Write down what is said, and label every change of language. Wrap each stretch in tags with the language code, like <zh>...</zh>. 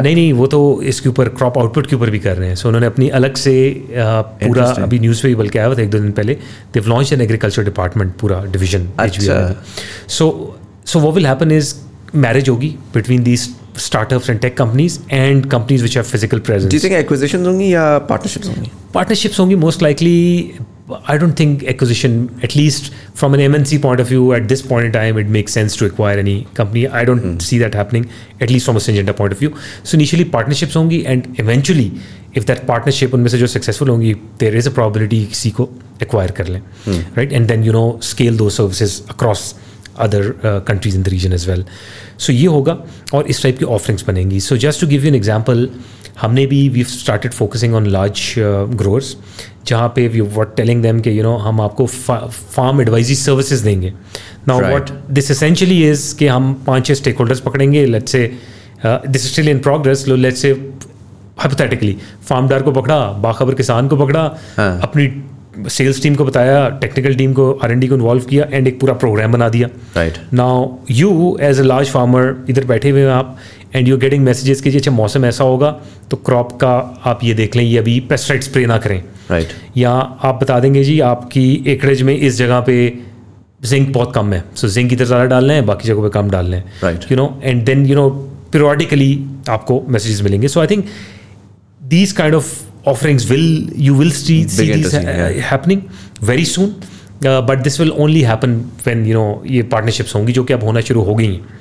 <ur>نہیں نہیں وہ تو اس کے اوپر کراپ آؤٹ پٹ کے اوپر بھی کر رہے ہیں, سو انہوں نے اپنی الگ سے پورا ابھی نیوز پہ بلکہ آیا تھا ایک دو دن پہلے,</ur> <en>they've launch an agriculture department</en> <ur>پورا division H be L,</ur> <en>so what will happen is marriage</en> <ur>ہوگی</ur> <en>Between these startups and tech companies and companies which have physical presence. Do you think acquisitions hongi ya partnerships hongi? Partnerships hongi most likely. I don't think acquisition, at least from an MNC point of view at this point in time, it makes sense to acquire any company. I don't see that happening, at least from a Syngenta point of view. So initially partnerships hongi and eventually if that partnership</en> <ur>unme se jo successful hongi</ur> <en>there is a probability</en> <ur>kisi ko acquire kar le</ur> <en>right, and then you know scale those services across other countries in the region as well.</en> <ur>سو یہ ہوگا اور اس type کی offerings بنیں گی. So</ur> <en>just to give you an example,</en> <ur>ہم نے بھی</ur> <en>we started focusing on large growers</en> <ur>جہاں پہ</ur> <en>we what telling them</en> <ur>کہ یو نو ہم آپ کو فارم ایڈوائزری سروسز دیں گے.</ur> <en>now what this essentially is</en> <ur>کہ ہم 5-6 اسٹیک ہولڈرس پکڑیں گے,</ur> <en>let's say this is still in progress, let's say hypothetically</en> <ur>form Dar کو پکڑا, باخبر کسان کو پکڑا, اپنی سیلس ٹیم کو بتایا, ٹیکنیکل ٹیم کو آر این ڈی کو انوالو کیا اینڈ ایک پورا پروگرام بنا دیا.</ur> <en>right, now you as a large farmer</en> <ur>ادھر بیٹھے ہوئے ہیں آپ</ur> <en>and you are getting messages</en> <ur>کہ اچھا موسم ایسا ہوگا تو کراپ کا آپ یہ دیکھ لیں, یہ ابھی پیسٹیسائڈ اسپرے نہ کریں.</ur> <en>right,</en> <ur>یا آپ بتا دیں گے جی آپ کی ایکڑیج میں اس جگہ پہ زنک بہت کم ہے, سو زنک ادھر زیادہ ڈالنا ہے, باقی جگہوں پہ کم ڈالنا ہے.</ur> <en>right, you know and then you know periodically</en> <ur>آپ کو میسیجز ملیں گے.</ur> <en>so I think these kind of offerings will you will see, see these happening very soon, but this will only happen when you know</en> <ur>ye partnerships hongi jo ki ab hona shuru ho gayi hain.</ur>